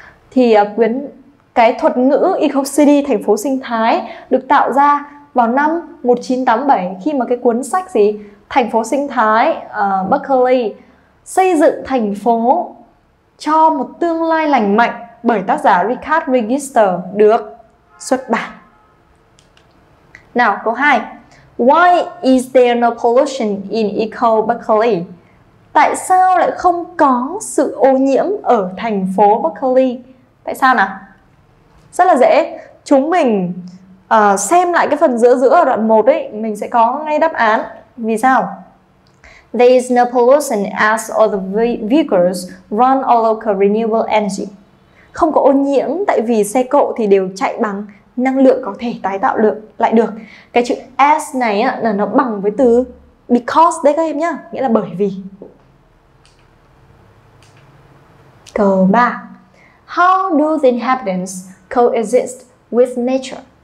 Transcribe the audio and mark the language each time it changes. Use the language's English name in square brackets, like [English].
[Vietnamese] Thì quyển cái thuật ngữ Eco City, thành phố sinh thái được tạo ra vào năm 1987, khi mà cái cuốn sách gì thành phố sinh thái, Berkeley, xây dựng thành phố cho một tương lai lành mạnh bởi tác giả Richard Register được xuất bản. Nào, câu 2. [English] Why is there no pollution in Eco Berkeley? [Vietnamese] Tại sao lại không có sự ô nhiễm ở thành phố Berkeley? Tại sao nào? Rất là dễ. Chúng mình xem lại cái phần giữa ở đoạn 1 ấy, mình sẽ có ngay đáp án. Vì sao? [English] There is no pollution as all the vehicles run on local renewable energy. [Vietnamese] Không có ô nhiễm tại vì xe cộ thì đều chạy bằng năng lượng có thể tái tạo được lại được. Cái chữ as này á, là nó bằng với từ because đấy các em nhá, nghĩa là bởi vì. Câu 3. [English] How do the inhabitants coexist with nature?